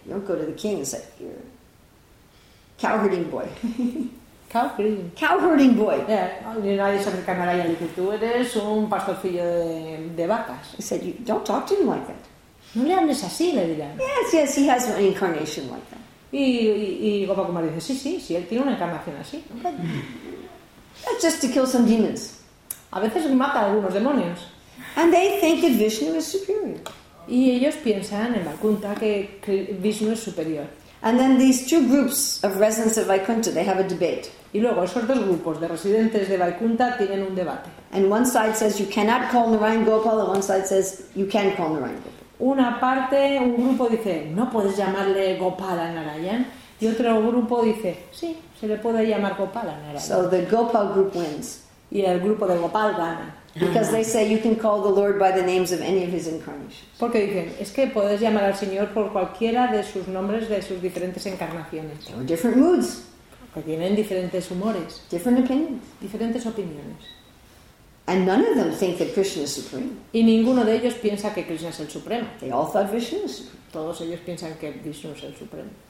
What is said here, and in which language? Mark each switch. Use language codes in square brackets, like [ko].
[en] You don't go to the king and say, "You're cowherding boy." Cowherding. Cowherding boy. [es] Yeah. Y nadie se acerca a Narayan y dice, "Tú eres un pastorcillo de vacas." [en] He said, "You don't talk to him like that." [es] No le andes así, le dirán. [en] Yes, yes, he has an incarnation like that. [es] Y Gopakumar dice, sí, él tiene una encarnación así. [en] But just to kill some demons. [es] A veces mata a algunos demonios. [en] And they think that Vishnu is superior. [es] Y ellos piensan en Vaikuntha que Vishnu es superior. [en] And then these two groups of residents of Vaikuntha, they have a debate. [es] Y luego esos dos grupos de residentes de Vaikuntha tienen un debate. [en] And one side says you cannot call Narayan Gopal, and one side says you can call Narayan Gopal. [es] Una parte, un grupo dice, no puedes llamarle Gopala Narayan. Y otro grupo dice, sí, se le puede llamar Gopala Narayan. [en] So the Gopal group wins. [es] Y el grupo de Gopal gana. [en] Because they say you can call the Lord by the names of any of his incarnations. [es] Porque dicen, es que puedes llamar al Señor por cualquiera de sus nombres de sus diferentes encarnaciones. [en] There are different moods. [es] Porque tienen diferentes humores. [en] Different opinions. [es] Diferentes opiniones. [en] And none of them think that Krishna is supreme. [es] Y ninguno de ellos piensa que Krishna es el supremo. [en] They all thought Vishnu is supreme. [es] Todos ellos piensan que Vishnu es el supremo.